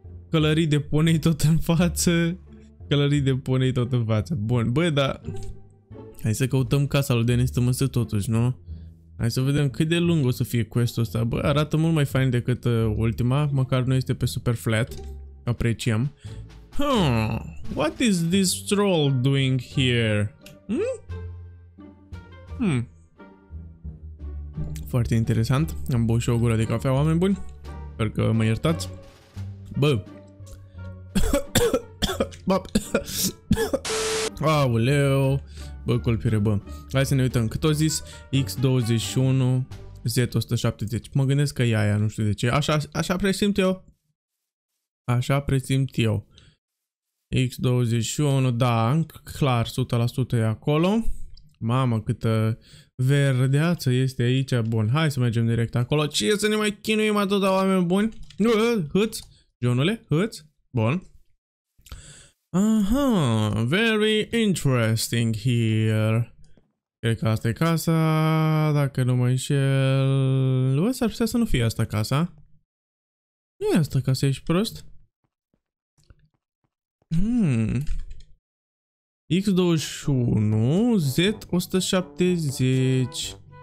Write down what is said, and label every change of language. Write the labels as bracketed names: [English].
[Romanian] Călării de ponei tot în față. Călării de ponei tot în față. Bun, băi, dar hai să căutăm casa lui Denis Tămâsă totuși, nu? Hai să vedem cât de lung o să fie quest-ul ăsta. Bă, arată mult mai fain decât ultima. Măcar nu este pe super flat. Apreciem. [English] What is this troll doing here? [Romanian] Foarte interesant. Am băut și o gură de cafea, oameni buni. Sper că mă iertați. Bă. Auleu. Bă, culpire, bă. Hai să ne uităm. Cât o zis? X21 Z170. Mă gândesc că e aia, nu știu de ce. Așa presimt eu. Așa presimt eu. X21, da, clar, 100% e acolo. Mamă, câtă verdeață este aici. Bun, hai să mergem direct acolo. Ce să ne mai chinuim atâta, oameni buni? Hâț, Johnule, hâț. Bun. [English] Aha, very interesting here. [Romanian] Cred că asta e casa, dacă nu mă înșel. Bă, s-ar putea să nu fie asta casa. Nu e asta casa, ești prost? X21, Z170.